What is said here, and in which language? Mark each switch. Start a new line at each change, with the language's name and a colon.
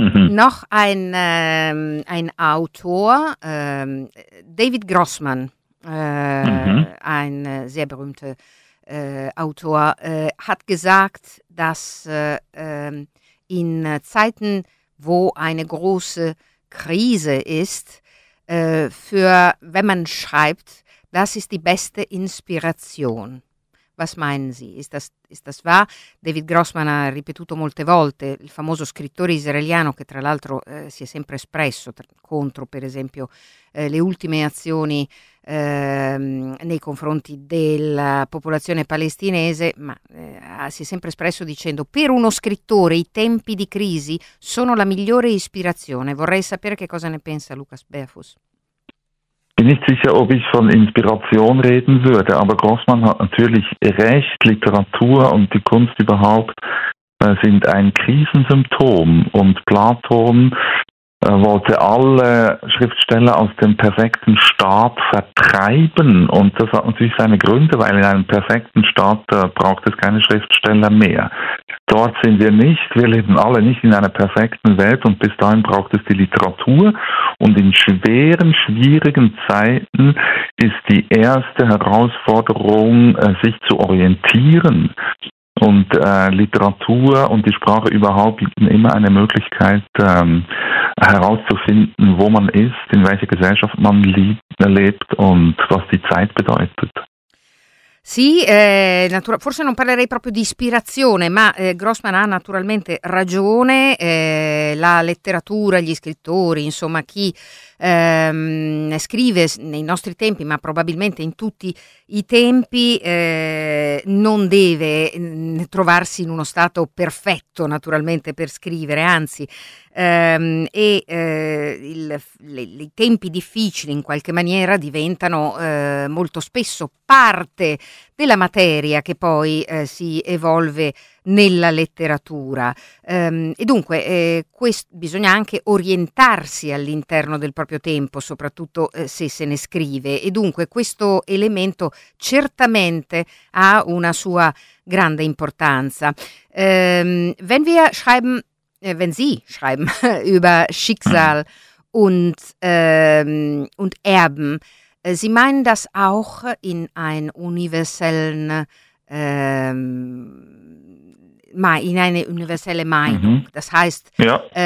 German: Noch ein Autor, David Grossman, ein sehr berühmter Autor, hat gesagt, dass in Zeiten, wo eine große Krise ist, wenn man schreibt, das ist die beste Inspiration. Was meinen Sie? Ist das wahr?
Italian: David Grossman ha ripetuto molte volte, il famoso scrittore israeliano che tra l'altro si è sempre espresso contro, per esempio, le ultime azioni nei confronti della popolazione palestinese, ma si è sempre espresso dicendo: per uno scrittore i tempi di crisi sono la migliore ispirazione. Vorrei sapere che cosa ne pensa Lukas Berfus.
German: Bin nicht sicher, ob ich von Inspiration reden würde, aber Grossman hat natürlich recht. Literatur und die Kunst überhaupt sind ein Krisensymptom. Und Platon wollte alle Schriftsteller aus dem perfekten Staat vertreiben. Und das hat natürlich seine Gründe, weil in einem perfekten Staat braucht es keine Schriftsteller mehr. Dort sind wir nicht. Wir leben alle nicht in einer perfekten Welt und bis dahin braucht es die Literatur. Und in schweren, schwierigen Zeiten ist die erste Herausforderung, sich zu orientieren. Und Literatur und die Sprache überhaupt bieten immer eine Möglichkeit, herauszufinden, wo man ist, in welcher Gesellschaft man lebt und was die Zeit bedeutet.
Italian: Sì, forse non parlerei proprio di ispirazione, ma Grossman ha naturalmente ragione. La letteratura, gli scrittori, insomma chi scrive nei nostri tempi, ma probabilmente in tutti i tempi, non deve trovarsi in uno stato perfetto naturalmente per scrivere, anzi, i tempi difficili in qualche maniera diventano molto spesso parte della materia che poi si evolve nella letteratura. E dunque bisogna anche orientarsi all'interno del proprio tempo, soprattutto se se ne scrive. E dunque questo elemento certamente ha una sua grande importanza.
German: Wenn Sie schreiben über Schicksal und Erben, Sie meinen das auch in einen universellen, in eine universelle Meinung. Mhm. Das heißt, ja.